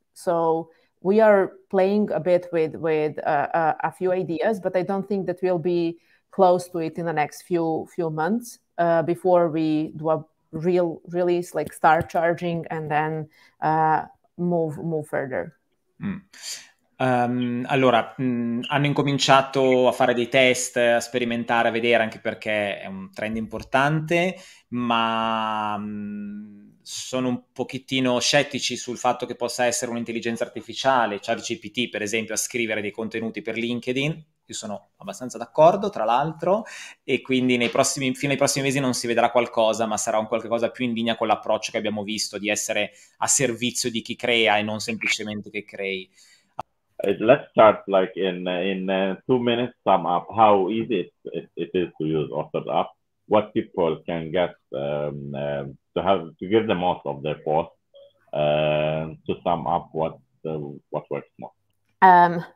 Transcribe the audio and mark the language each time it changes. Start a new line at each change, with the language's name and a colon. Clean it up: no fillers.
English: So we are playing a bit with a few ideas, but I don't think that we'll be close to it in the next few months before we do a real release, like start charging, and then move further.
Italian: Allora, hanno incominciato a fare dei test, a sperimentare, a vedere, anche perché è un trend importante, ma sono un pochettino scettici sul fatto che possa essere un'intelligenza artificiale, ChatGPT, per esempio, a scrivere dei contenuti per LinkedIn. Io sono abbastanza d'accordo, tra l'altro, e quindi fino ai prossimi mesi non si vedrà qualcosa, ma sarà un qualcosa più in linea con l'approccio che abbiamo visto, di essere a servizio di chi crea e non semplicemente che crei.
English: Let's start like in 2 minutes sum up how easy it is to use Authoredup, what people can get to give the most of their post, to sum up what works most.